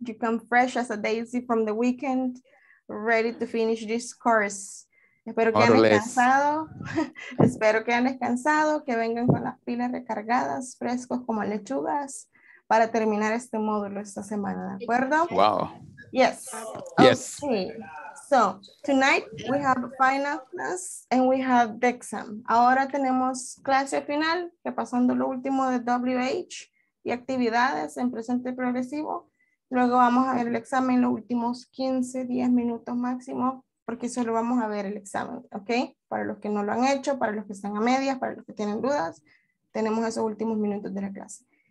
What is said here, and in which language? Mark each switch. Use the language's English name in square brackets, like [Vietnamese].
[English] You come fresh as a daisy from the weekend, ready to finish this course. [Spanish] Espero que hayan descansado. Espero que hayan descansado, que vengan con las pilas recargadas, frescos como lechugas, para terminar este módulo esta semana, ¿de acuerdo? [English] Wow. Yes. Yes. Okay. So, tonight we have final class and we have the exam. [Spanish] Ahora tenemos clase final, repasando lo último de WH y actividades en presente progresivo. Luego vamos a ver el examen los últimos 15, 10 minutos máximo. Porque solo vamos a ver el examen, ¿ok? Para los que no lo han hecho, para los que están a medias, para los que tienen dudas, tenemos esos últimos minutos de la clase.